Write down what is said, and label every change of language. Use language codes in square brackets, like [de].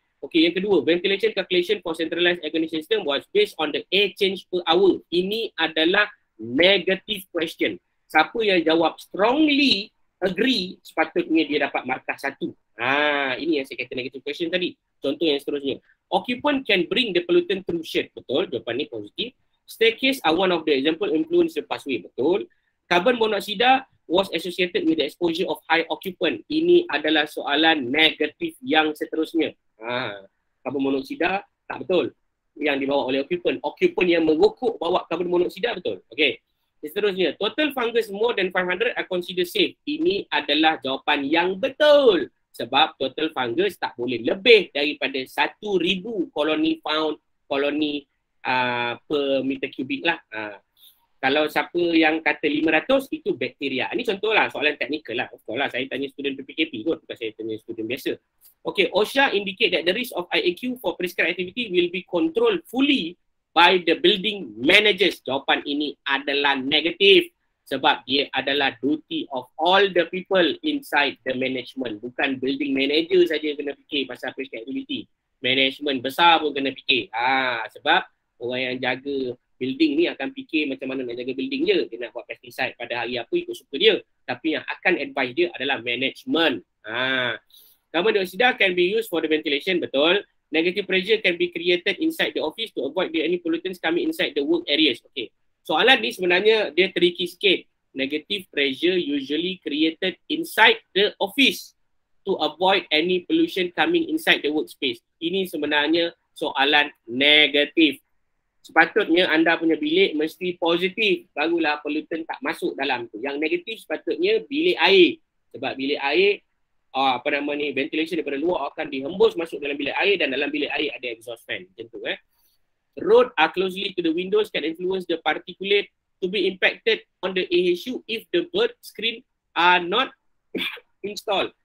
[en] Okey, [ms] yang kedua, [en] ventilation calculation for centralized air conditioning system was based on the air change per hour. [ms] Ini adalah negative question. Siapa yang jawab [en] strongly agree, [ms] sepatutnya dia dapat markah satu. Ini yang saya kata negative question tadi. Contoh yang seterusnya. [en] Occupant can bring the pollutant through shed. [ms] Betul, jawapan ni positif. [en] Staircase are one of the example influence the pathway. [ms] Betul. [en] Carbon monoxide was associated with the exposure of high occupant. [ms] Ini adalah soalan negatif yang seterusnya. Carbon monoxide tak betul. Yang dibawa oleh occupant. Occupant yang merokok bawa carbon monoxide, betul. Okay. Seterusnya, [en] total fungus more than 500 are considered safe. [ms] Ini adalah jawapan yang betul. Sebab total fungus tak boleh lebih daripada 1,000 koloni pound, koloni per meter kubik lah. Kalau siapa yang kata 500, itu bakteria. Ini contohlah, soalan teknikal lah. Of course lah, saya tanya student PPKP kot, bukan saya tanya student biasa. [en] Okay, OSHA indicate that the risk of IAQ for prescribed activity will be controlled fully by the building managers. [ms] Jawapan ini adalah negatif sebab dia adalah [en] duty of all the people inside the management. [ms] Bukan building manager saja kena fikir pasal prescribed activity. Management besar pun kena fikir. Sebab orang yang jaga building ni akan fikir macam mana nak jaga building je. Dia nak buat pesticide pada hari apa, ikut suka dia. Tapi yang akan advise dia adalah management. [en] Carbon dioxide can be used for the ventilation, [ms] betul. [en] Negative pressure can be created inside the office to avoid any pollutants coming inside the work areas. Okay. [ms] Soalan ni sebenarnya dia tricky sikit. [en] Negative pressure usually created inside the office to avoid any pollution coming inside the workspace. [ms] Ini sebenarnya soalan negatif. Sepatutnya anda punya bilik mesti positif, barulah pollutant tak masuk dalam tu. Yang negatif sepatutnya bilik air. Sebab bilik air, ventilation daripada luar akan dihembus masuk dalam bilik air, dan dalam bilik air ada exhaust fan. Macam tu eh. [en] Road are closely to the windows can influence the particulate to be impacted on the AHU if the bird screen are not installed.